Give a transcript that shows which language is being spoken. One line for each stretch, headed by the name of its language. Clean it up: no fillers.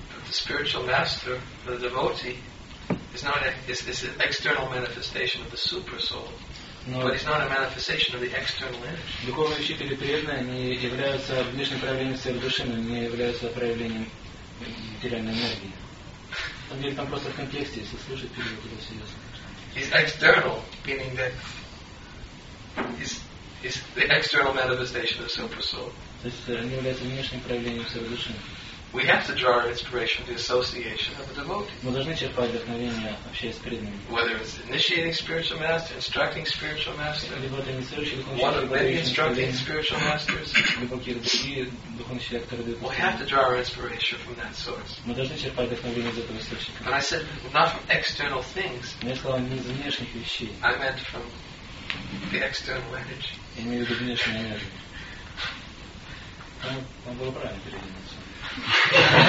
English: Spiritual master, the devotee, is not a, is an external manifestation of the super soul, no. But it's not a manifestation of the external energy.
Russian: Духовные учителя преданные не являются внешним проявлением своей души, но не являются проявлением материальной энергии. Он говорит, там просто в контексте, если слушать, переводить это серьезно.
English: He's external, meaning that he's the external manifestation of the super soul.
Russian: То есть он является внешним проявлением своей души.
English: We have to draw our inspiration from the association of a devotee.
Russian: Мы должны черпать вдохновение вообще из преданных.
English: Whether it's initiating spiritual master, instructing spiritual master,
Russian: либо это инструкция духовного учителя,
English: one of many instructing spiritual masters,
Russian: либо какие-то другие духовные учителя, которые дают.
English: We have to draw our inspiration from that source.
Russian: Мы должны черпать вдохновение из этого источника.
English: But I said not from external things.
Russian: Я сказал не из внешних вещей.
English: I meant from the external energy.
Russian: Я имею в виду внешнюю энергию. Там было правильно переведено.